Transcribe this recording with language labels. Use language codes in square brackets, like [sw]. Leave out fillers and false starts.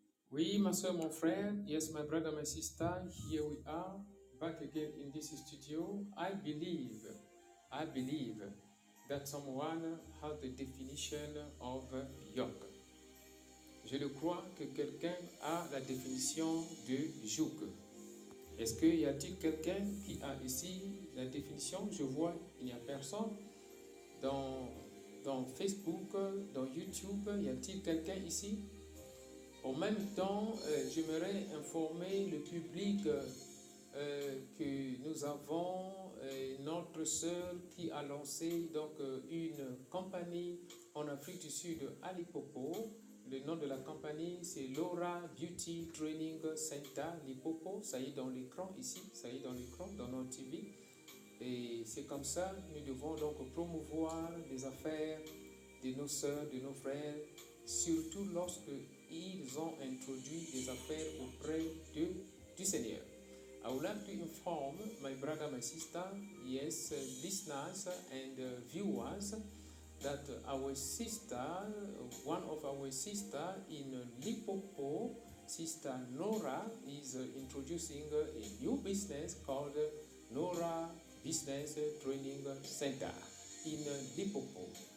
[fr] Oui, ma soeur, mon frère. [en] Yes, my brother, my sister. Here we are back again in this studio. I believe that someone has the definition of yoke. [fr] Je le crois que quelqu'un a la définition de joug. Est-ce qu'il y a-t-il quelqu'un qui a ici la définition? Je vois qu'il n'y a personne. Dans Facebook, dans YouTube, y a-t-il quelqu'un ici? En même temps, j'aimerais informer le public que nous avons notre sœur qui a lancé donc une compagnie en Afrique du Sud, Alipopo. Le nom de la compagnie, c'est Laura Beauty Training Center Lipopo. Ça y est dans l'écran ici, ça y est dans l'écran, dans notre TV. Et c'est comme ça, nous devons donc promouvoir les affaires de nos sœurs, de nos frères, surtout lorsque ils ont introduit des affaires auprès du Seigneur. [en] I would like to inform my brother, my sister, yes, listeners and viewers, that our sister, one of our sister in Lipopo, Sister Nora, is introducing a new business called Nora Business Training Center in Lipopo.